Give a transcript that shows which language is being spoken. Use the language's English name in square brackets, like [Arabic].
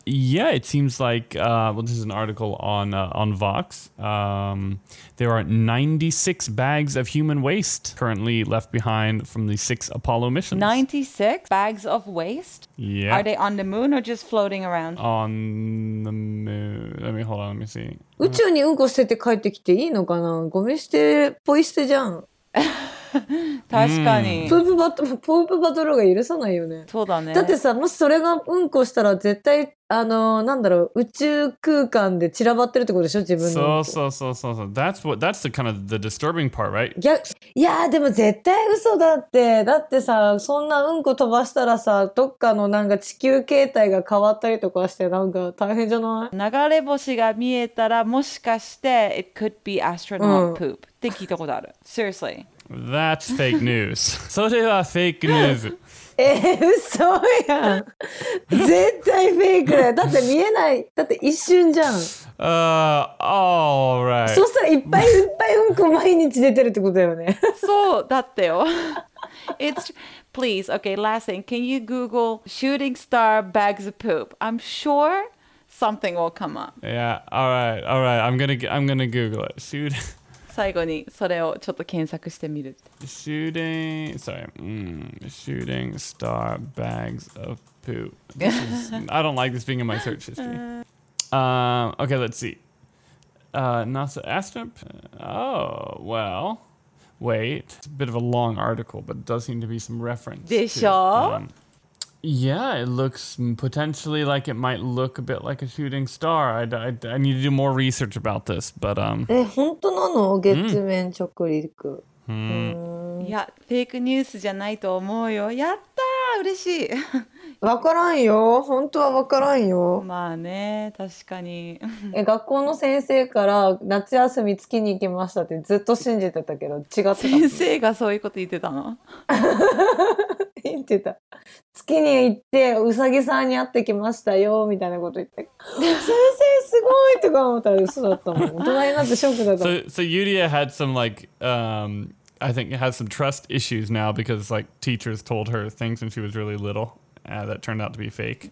[English] Yeah, it seems like, this is an article on Vox. There are 96 bags of human waste currently left behind from the 6 Apollo missions. 96 bags of waste? Yeah. Are they on the moon or just floating around? On the moon. Let me see. [Japanese] 宇宙にうんこ捨てて帰ってきていいのかな？ゴミ捨てポイ捨てじゃん。確かに、うん、プープバトルが許さないよね。そうだね。だってさ、もしそれがうんこしたら絶対なんだろう、宇宙空間で散らばってるってことでしょ、自分の。そう [English] That's what, that's the kind of the disturbing part, right? [Japanese] いやでも絶対嘘だって。だってさ、そんなうんこ飛ばしたらさ、どっかのなんか地球形態が変わったりとかして、なんか大変じゃない？流れ星が見えたら、もしかして [English] It could be astronaut poop、 [Japanese] うん、って聞いたことある。 [English] Seriously That's fake news. [Japanese] それは [English] fake news。 [Japanese] 嘘やん。絶対フェイクだよ。だって見えない。だって一瞬じゃん。 [English] All right. [Japanese] そしたらいっぱいうんこ毎日出てるってことだよね。そうだってよ。 [English] It's please. Okay, last thing. Can you Google shooting star bags of poop? I'm sure something will come up. Yeah. All right. I'm gonna Google it. Shoot. [Japanese] 最後にそれをちょっと検索してみる。 [English] Shooting star bags of poop. I don't like this being in my search history. Okay, let's see. NASA astronaut. Oh, well. Wait. It's a bit of a long article, but it does seem to be some reference. [Japanese] でしょ? [English] Yeah, it looks potentially like it might look a bit like a shooting star. I need to do more research about this, but [Japanese] え、本当なの?月面着陸。いや、フェイクニュースじゃないと思うよ。やったー、嬉しい。わからんよ。本当はわからんよ。まあね、確かに。学校の先生から夏休み月に行きましたってずっと信じてたけど、違ってた。先生がそういうこと言ってたの？言ってた。月に行ってウサギさんに会ってきましたよみたいなこと言って、先生すごいとか思ったら嘘だったもん。大人になってショックだった。 [English] So Yuria had some like、I think it has some trust issues now because like teachers told her things when she was really little、that turned out to be fake.